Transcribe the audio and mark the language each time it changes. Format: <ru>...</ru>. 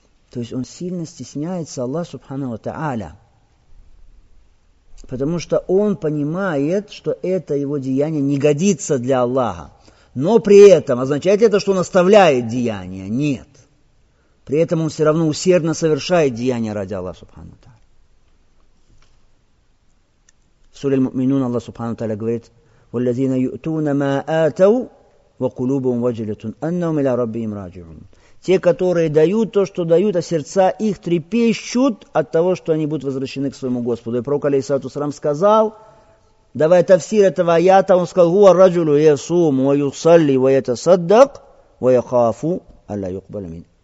<ru>То есть он сильно стесняется Аллаха Субхану ва Тааля, потому что он понимает, что это его деяние не годится для Аллаха. Но при этом, означает ли это, что он оставляет деяния? Нет. При этом он все равно усердно совершает деяния ради Аллаха Субхану ва Тааля. В суре Аль-Муминун Аллах Субхану ва Тааля говорит:</ru> <ar>وَالَّذِينَ يُؤْتُونَ مَا آتَوْا وَقُلُوبُهُمْ وَجِلَةٌ أَنَّهُمْ إِلَى رَبِّهِمْ رَاجِعُونَ.</ar> <ru>Те, которые дают то, что дают, а сердца их трепещут от того, что они будут возвращены к своему Господу. И пророк,</ru> <ar>алейхиссалату вассалям,</ar> <ru>сказал, давай тафсир этого аята, он сказал:</ru> <ar>هُوَ الرَّجُلُ يَصُومُ وَيُصَلِّي وَيَتَصَدَّقُ وَيَخَافُ أَلَّا يُقْبَلَ مِنْهُ.</ar>